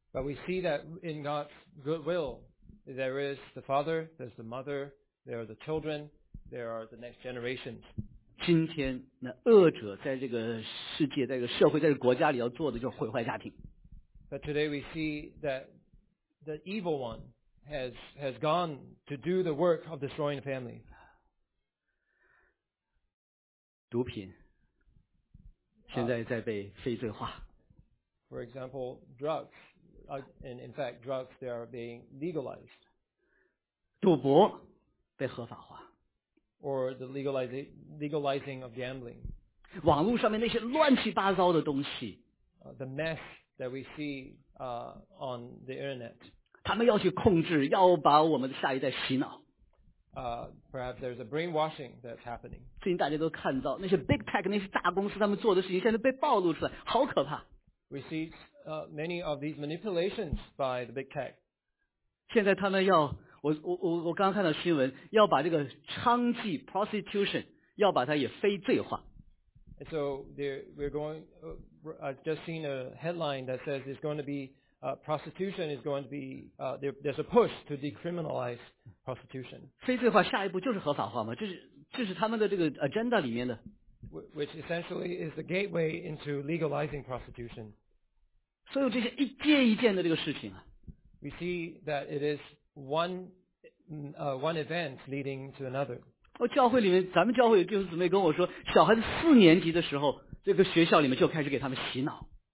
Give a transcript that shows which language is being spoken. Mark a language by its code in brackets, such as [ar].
[en] But we see that in God's good will. There is the father, there's the mother, there are the children, there are the next generations. [zh] 今天那恶者在这个世界，在这个社会，在这个国家里要做的，就是毁坏家庭。 [en] But today we see that the evil one has gone to do the work of destroying the family. [zh] 毒品现在在被非罪化。 [en] For example, drugs. And in fact, drugs, they are being legalized. [zh] 赌博被合法化。 [en] Or the legalizing of gambling. [zh] 网络上面那些乱七八糟的东西。 [en] The mess that we see, on the internet. [zh] 他们要去控制，要把我们的下一代洗脑。 [en] Perhaps there's a brainwashing that's happening. [zh] 最近大家都看到，那些 big tech, 那些大公司他们做的事情现在被暴露出来，好可怕。 [en] We see, many of these manipulations by the big tech. [zh] 现在他们要我刚刚看到新闻，要把这个娼妓 prostitution 要把它也非罪化。 [en] And so we're going. I've just seen a headline that says it's going to be prostitution is going to be there's a push to decriminalize prostitution. [zh] 非罪化下一步就是合法化嘛？这是他们的这个 agenda 里面的。 [en] Which essentially is the gateway into legalizing prostitution. [zh] 所有这些一件一件的这个事情啊， [en] we see that it is one event leading to another. [zh] 我教会里面，咱们教会有弟兄姊妹跟我说，小孩子四年级的时候，这个学校里面就开始给他们洗脑。